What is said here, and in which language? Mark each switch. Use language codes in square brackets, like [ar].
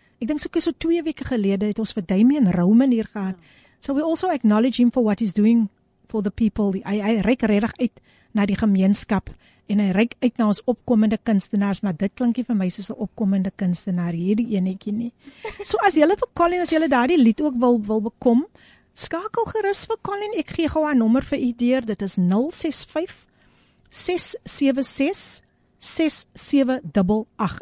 [af] Ek dink so 2 weke gelede het ons vir Damien Roman hier gehad. [en] So we also acknowledge him for what he's doing for the people. [af] Hy reik redig uit na die gemeenskap. En hy reik uit na ons opkomende kunstenaars. Maar dit klinkie vir my soos 'n opkomende kunstenaar. Hierdie enetjie nie. So as jylle vir Colin, as jylle daar die lied ook wil bekom, skakel gerus vir Colin. Ek gee gou haar nommer vir u deur. Dit is 065-676-6788.